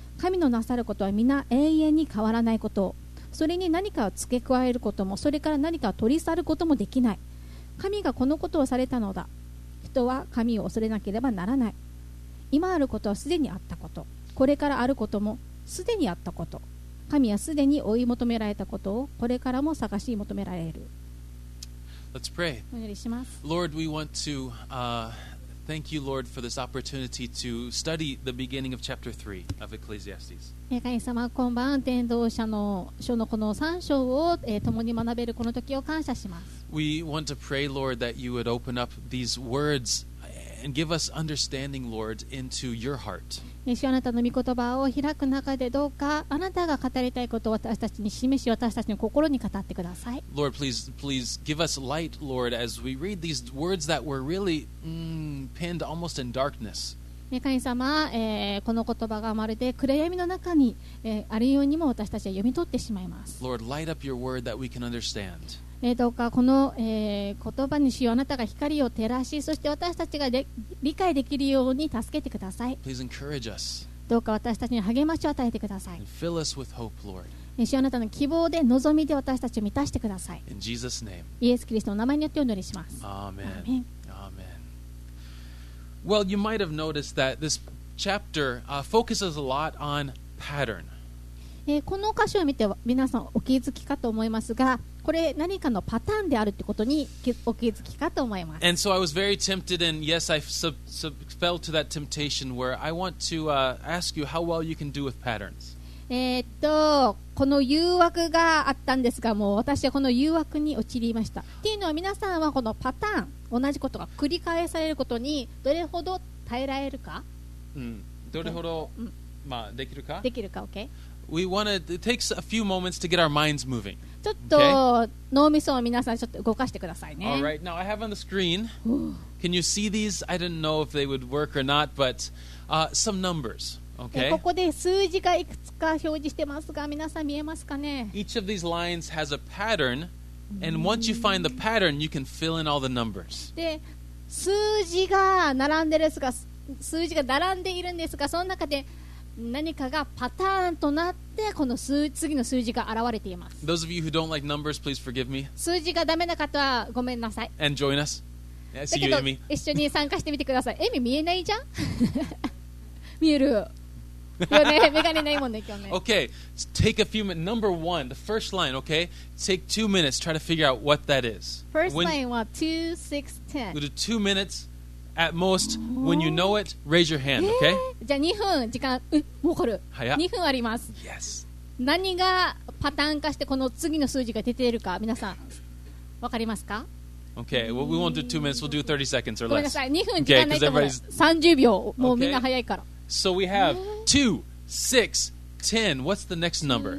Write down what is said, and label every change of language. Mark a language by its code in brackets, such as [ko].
[ja] 神のなさることは皆永遠に変わらないこと。それに何かを付け加えることも、それから何かを取り去ることもできない。神がこのことをされたのだ。人は神を恐れなければならない。今あることはすでにあったこと。これからあることもすでにあったこと、神はすでに追い求められたことをこれからも探し求められる。 [en] Let's pray. [ja] お祈りします。 [en] Lord, we want to thank you, Lord, for this opportunity to study the beginning of chapter 3 of Ecclesiastes. [ja] 神様、こんばん。伝道者の書のこの3章を、共に学べるこの時を感謝します。 [en] We want to pray, Lord, that you would open up these words and give us understanding, Lord, into your heart. [ja] 主、あなたの御言葉を開く中でどうかあなたが語りたいことを私たちに示し、私たちの心に語ってください。 [en] Lord, please, please give us light, Lord, as we read these words that were really pinned almost in darkness. [ja] 神様、この言葉がまるで暗闇の中に、あるようにも私たちは読み取ってしまいます。 [en] Lord, light up your word that we can understand. [ja] どうかこの、言葉にしよう、あなたが光を照らし、そして私たちが理解できるように助けてください。 [en] Please encourage us. [ja] どうか私たちに励ましを与えてください。 [en] And fill us with hope, Lord. [ja] しよう、あなたの希望で望みで私たちを満たしてください。 [en] In Jesus' name. [ja] イエス・キリストの名前によってお祈りします。 [en] Amen. Amen. Well, you might have noticed that this chapter, focuses a lot on pattern. [ja] この箇所を見て皆さんお気づきかと思いますが、これ何かのパターンであるってことにお気づきかと思います。 [en] And so I was very tempted, and yes, I fell to that temptation where I want to ask you how well you can do with patterns. [ja] この誘惑があったんですが、もう私はこの誘惑に陥りました。っていうのは皆さんはこのパターン、同じことが繰り返されることにどれほど耐えられるか。どれほど、まあできるか。できるか、OK。 [en] We want to. It takes a few moments to get our minds moving. [ja] ちょっと脳みそを皆さんちょっと動かしてくださいね。 [en] All right. Now I have on the screen. Can you see these? I didn't know if they would work or not, but some numbers. Okay. [ja] ここで数字がいくつか表示してますが、皆さん見えますかね？ [en] Each of these lines has a pattern, and once you find the pattern, you can fill in all the numbers. [ja] で、数字が並んでですが、数字が並んでいるんですが、その中で何かがパターンとなってこの次の数字が現れています。 [en] Those of you who don't like numbers, please forgive me. [ja] 数字がダメな方はごめんなさい。 [en] And join us. Yeah, see you, Amy. [ja] 一緒に参加してみてください。Amy 見えないじゃん。見える。今日ね、メガネないもんね、今日ね。 [en] Okay, take a few minutes. Number one, the first line, okay? Take 2 minutes, try to figure out what that is. First line was 2, 6, 10. We'll do 2 minutes. At most, when you know it, raise your hand, okay? [ja] じゃあ2分時間、もうこれ。早っ。2分あります。 [en] Yes. [ja] 何がパターン化してこの次の数字が出ているか、皆さん、わかりますか？ [en] Okay, well, we won't do 2 minutes, we'll do 30 seconds or less. [ja] ごめんなさい、2分時間ないと思う。 Okay, 30秒、もうみんな早いから。 [en] Okay. So we have 2, 6, 10, what's the next number?